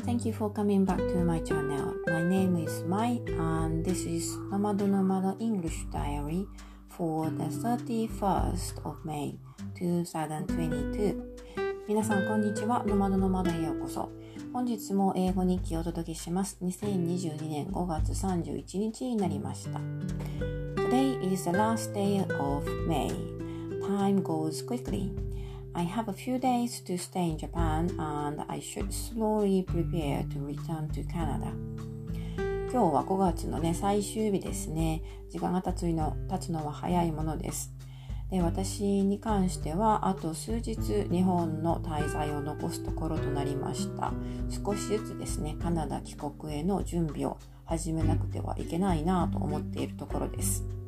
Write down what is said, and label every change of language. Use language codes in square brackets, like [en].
[en] Thank you for coming back to my channel. My name is Mai, and this is Nomad Nomad English Diary for the 31st of May 2022. [ja] 皆さん、こんにちは。Nomad Nomadへようこそ。本日も英語日記をお届けします。 2022年5月31日になりました。 [en] Today is the last day of May. Time goes quickly. I have a few days to stay in Japan and I should slowly prepare to return to Canada. [ja] 今日は5月の、ね、最終日ですね。時間が経つのは早いものです。で、私に関してはあと数日日本の滞在を残すところとなりました。少しずつですね、カナダ帰国への準備を始めなくてはいけないなと思っているところです。